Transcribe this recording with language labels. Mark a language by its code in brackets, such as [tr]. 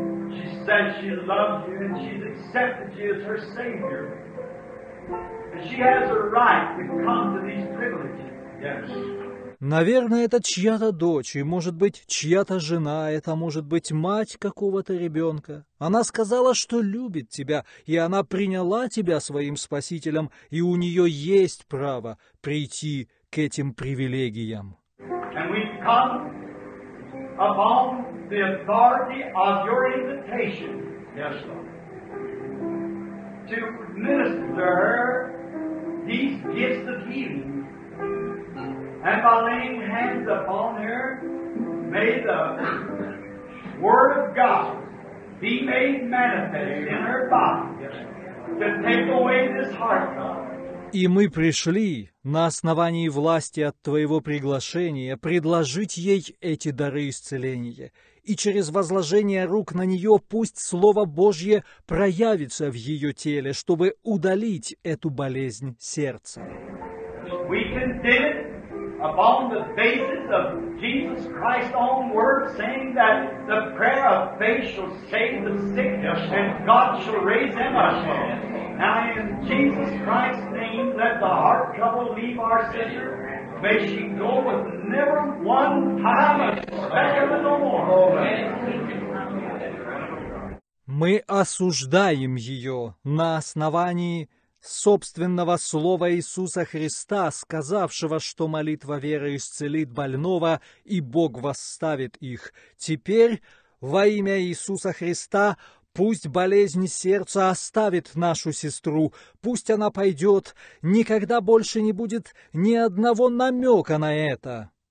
[en] She says she loves you and she's accepted you as her Savior. And she has a right to come to these privileges. Yes. [ru] Наверное, это чья-то дочь, и, может быть, чья-то жена, это, может быть, мать какого-то ребенка. Она сказала, что любит тебя, и она приняла тебя своим спасителем, и у нее есть право прийти к этим привилегиям. [en] And we've come upon the authority of your invitation, yes, to minister these gifts of healing. And by laying hands upon her, may the word of God be made manifest in her body to take away this heart problem. [ru] И мы пришли на основании власти от Твоего приглашения предложить ей эти дары исцеления. И через возложение рук на нее пусть Слово Божье проявится в ее теле, чтобы удалить эту болезнь сердца. [en] We can do it upon the basis of Jesus Christ's own word, saying that the prayer of faith shall save the sick and God shall raise them up. Now in Jesus Christ's name, let the heart trouble leave our sister. May she go with never one time a speck of it no more. Amen. [ru] Мы осуждаем ее на основании собственного слова Иисуса Христа, сказавшего, что молитва веры исцелит больного, и Бог восставит их. Теперь, во имя Иисуса Христа, пусть болезнь сердца оставит нашу сестру, пусть она пойдет, никогда больше не будет ни одного намека на это.